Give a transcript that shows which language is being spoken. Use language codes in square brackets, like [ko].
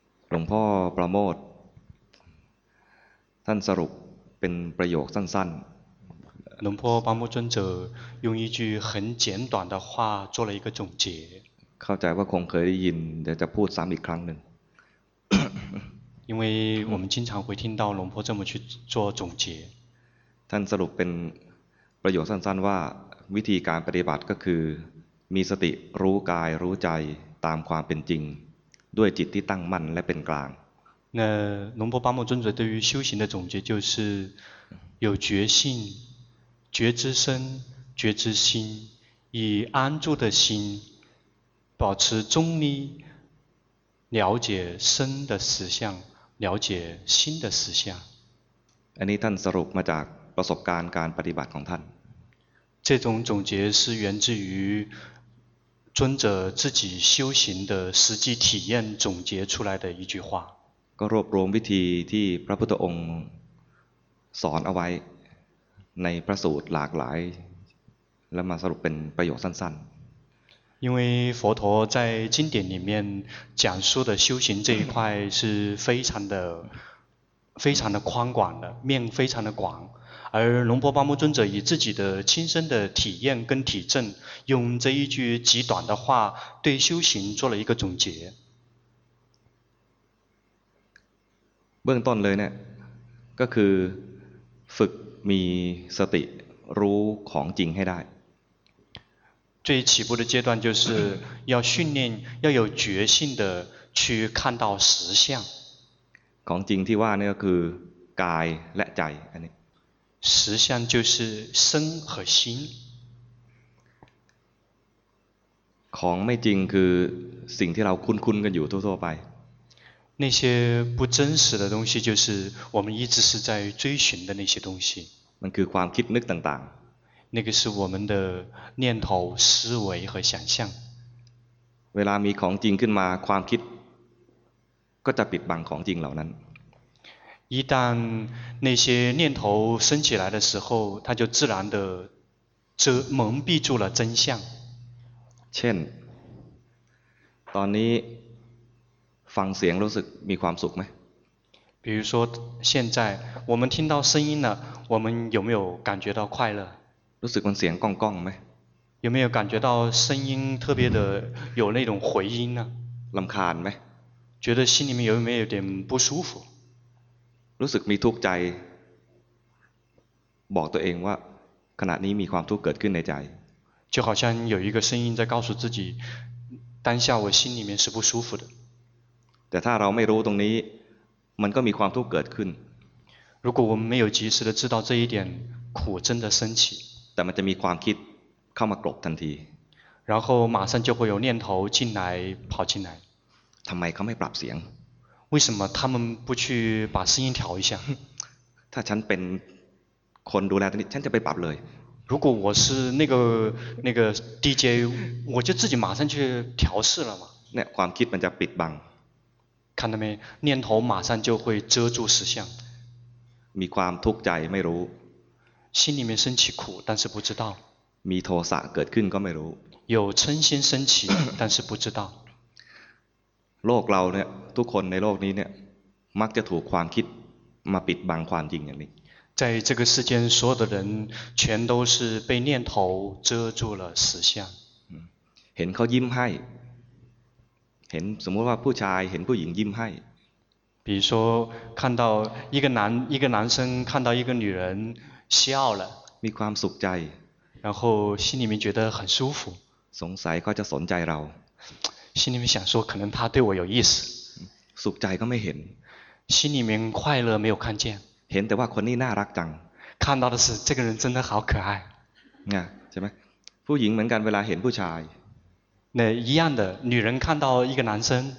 [th] หลวงพ่อประโมทท่านสรุปเป็นประโยคสั้นๆห [zh] ลวงพ่อประโมท尊者用一句很简短的话做了一个总结 [th] เข้าใจว่าคงเคยได้ยินเดี๋ยวจะพูดซ้ำอีกครั้งหนึ่ง [zh] 因为我们经常会听到龙婆这么去做总结 [th] ท่านสรุปเป็นประโยคสั้นๆว่าวิธีการปฏิบัติก็คือมีสติรู้กายรู้ใจตามความเป็นจริงด้วยจิตที่ตั้งมั่นและเป็นกลาง [zh] 那龙婆巴木尊者对于修行的总结就是有觉性觉知身觉知心以安住的心保持中立了解身的实相了解心的实相 [th] อันนี้ท่านสรุปมาจากประสบการณ์การปฏิบัติของท่าน [zh] 这种总结是源自于尊者自己修行的实际体验总结出来的一句话 [th] ก็รวบรวมวิธีที่พระพุทธองค์สอนเอาไว้ในพระสูตรหลากหลายแล้วมาสรุปเป็นประโยคสั้น [zh] ๆ因为佛陀在经典里面讲述的修行这一块是非常的宽广的面非常的广而龙婆巴木尊者以自己的亲身的体验跟体证用这一句极短的话对修行做了一个总结 [th] เบื้องต้นเลยเนี่ยก็คือฝึกมีสติรู้ของจริงให้ได้ [zh] 最起步的阶段就是要训练要有决心的去看到实相 [th] ของจริงที่ว่านี่ก็คือกายและใจอันนี้ [zh] 实相就是身和心 [th] ของไม่จริงคือสิ่งที่เราคุ้นๆกันอยู่ทั่วๆไป [zh] 那些不真实的东西就是我们一直是在追寻的那些东西 [th] มันคือความคิดนึกต่าง [zh] ๆ那个是我们的念头思维和想象 [th] เวลามีของจริงขึ้นมาความคิดก็จะปิดบังของจริงเหล่านั้น [zh] 一旦那些念头升起来的时候它就自然的蒙蔽住了真相 [th] เช่นตอนนี้ฟังเสียงรู้สึกมีความสุขไหม [zh] 比如说现在我们听到声音了我们有没有感觉到快乐 [th] รู้สึกมันเสียงก้องก้องไหม [zh] 有没有感觉到声音特别的有那种回音呢 [th] ลำคาญไหม [zh] 觉得心里面有没有点不舒服 [th] รู้สึกมีทุกข์ใจบอกตัวเองว่าขณะนี้มีความทุกข์เกิดขึ้นในใจ [zh] 就好像有一个声音在告诉自己当下我心里面是不舒服的 [th] แต่ถ้าเราไม่รู้ตรงนี้มันก็มีความทุกข์เกิดขึ้น [zh] 如果我们没有及时的知道这一点苦真的升起 [th] แต่มันจะมีความคิดเข้ามากลบทันที [zh] 然后马上就会有念头进来跑进来 [th] ทำไมเขาไม่ปรับเสียง [zh] 为什么他们不去把声音调一下 [th] ถ้าฉันเป็นคนดูแลตรงนี้ฉันจะไปปรับเลย [zh] 如果我是那个 DJ 我就自己马上去调试了嘛 [th] เนี่ยความคิดมันจะปิดบัง คันทำไม [zh] 念头马上就会遮住实相 [th] มีความทุกข์ใจไม่รู้ [zh] 心里面升起苦但是不知道 [th] มีโทสะเกิดขึ้นก็ไม่รู้ [zh] 有嗔心升起但是不知道 [th] โลกเราเนี่ยทุกคนในโลกนี้เนี่ยมักจะถูกความคิดมาปิดบังความจริงอย่างนี้ [zh] 在这个世间所有的人全都是被念头遮住了实相 [th] เห็นเขายิ้มให้เห็นสมมติว่าผู้ชายเห็นผู้หญิงยิ้มให้ [zh] 比如说看到一个男生看到一个女人笑了 [th] มีความสุขใจ [zh] 然后心里面觉得很舒服 [th] สงสัยเขาจะสนใจเรา [zh] 心里面想说可能他对我有意思 [th] สุขใจก็ไม่เห็น [zh] 心里面快乐没有看见 [th] เห็นแต่ว่าคนนี้น่ารักจัง [zh] 看到的是这个人真的好可爱 [th] นะใช่ไหมผู้หญิงเหมือนกันเวลาเห็นผู้ชาย [zh] 那一样的女人看到一个男生